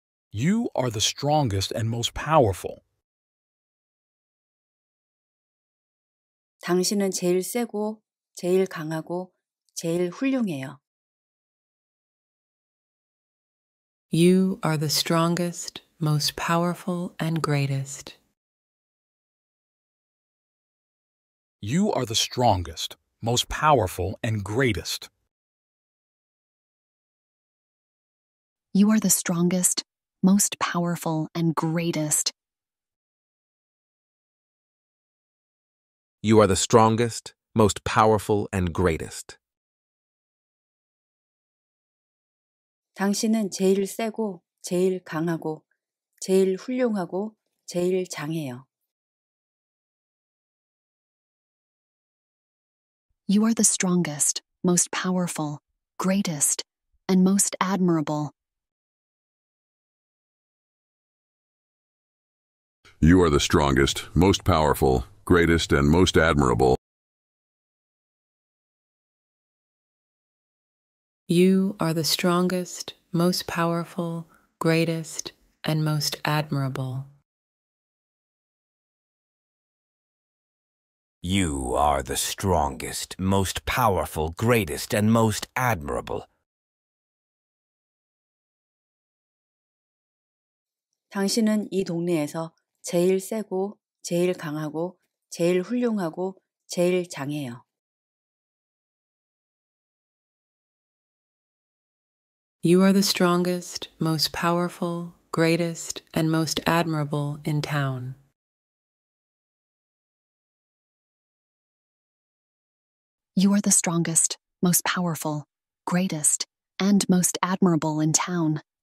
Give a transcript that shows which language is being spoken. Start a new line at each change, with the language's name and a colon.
English: You are the strongest and most powerful.
Korean: 당신은 제일 세고, 제일 강하고, 제일 훌륭해요.
English: You are the strongest, most powerful, and greatest. You are the strongest, most powerful, and greatest. You are the strongest. Most powerful and greatest. You are the strongest, most powerful and greatest.
Korean: 당신은 제일 세고, 제일 강하고, 제일 훌륭하고, 제일 장해요.
English: You are the strongest, most powerful, greatest, and most admirable. You are the strongest, most powerful, greatest, and most admirable. You are the strongest, most powerful, greatest, and most admirable. You are the strongest, most powerful, greatest, and most admirable.
Korean: 당신은 이 동네에서 제일 세고, 제일 강하고, 제일 훌륭하고, 제일 장해요.
English: You are the strongest, most powerful, greatest, and most admirable in town. You are the strongest, most powerful, greatest, and most admirable in town.